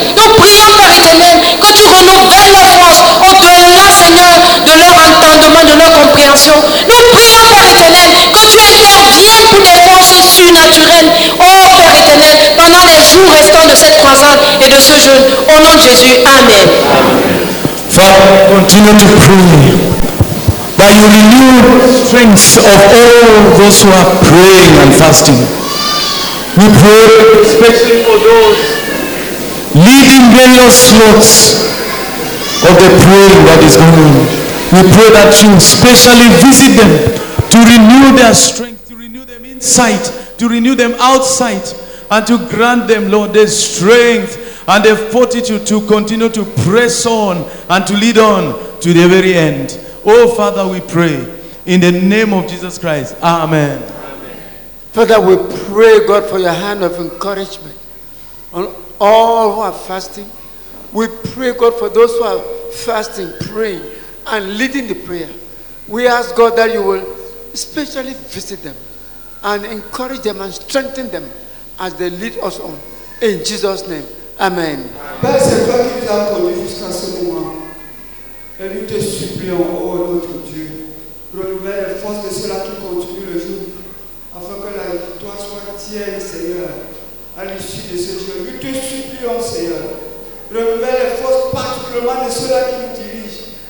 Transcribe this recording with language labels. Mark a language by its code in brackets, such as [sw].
[fr] Nous prions, Père éternel, que tu renouvelles les forces au-delà, Seigneur, de leur entendement, de leur compréhension. Nous prions, Père éternel, que tu interviennes pour des forces surnaturelles, oh Père éternel, pendant les jours restants de cette croisade et de ce jeûne. Au nom de Jésus, amen. [en] Father, continue to pray that you renew the strength of all those who are praying and fasting. We pray especially for those leading various slots of the praying that is going on. We pray that you specially visit them to renew their strength, to renew them inside, to renew them outside, and to grant them, Lord, the strength and the fortitude to continue to press on and to lead on to the very end. Oh, Father, we pray in the name of Jesus Christ. Amen. Father, we pray, God, for your hand of encouragement on all who are fasting. We pray, God, for those who are fasting, praying, and leading the prayer. We ask, God, that you will especially visit them and encourage them and strengthen them as they lead us on. In Jesus' name, amen. [fr] Père, c'est toi qui nous as conduits jusqu'à ce moment. Et nous te supplions, ô notre Dieu, renouvelle les forces de ceux-là qui continuent le jour, afin que la victoire soit tienne, Seigneur, à l'issue de ce jour. Nous te supplions, Seigneur, renouvelle les forces particulièrement de ceux-là qui nous dirigent.